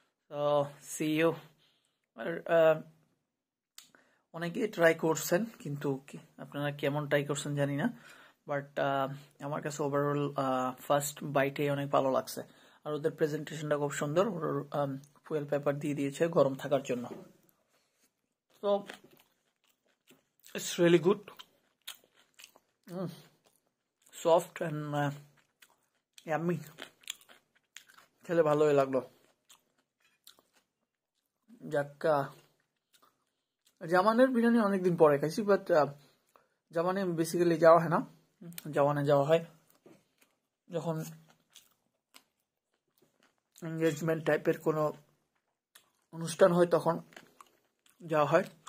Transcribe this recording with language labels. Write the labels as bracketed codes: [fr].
[en] So see you. [bn] আর অনেকে try করছেন, কিন্তু আপনারা কেমন ট্রাই করছেন জানি না, বাট আমার কাছে ওভারঅল ফার্স্ট বাইটে অনেক ভালো লাগছে, আর ওদের প্রেজেন্টেশনটা খুব সুন্দর, ওর ফুয়েল পেপার দিয়ে দিয়েছে গরম থাকার জন্য। [en] So it's really good, soft and yummy. [bn] খেলে ভালোই লাগলো। যাক্কা জামানের বিরিয়ানি অনেকদিন পরে খাইছি, বাট জামানে বেসিক্যালি যাওয়া হয় না, জামানে যাওয়া হয় যখন এঙ্গেজমেন্ট টাইপের কোনো অনুষ্ঠান হয় তখন যাওয়া হয়।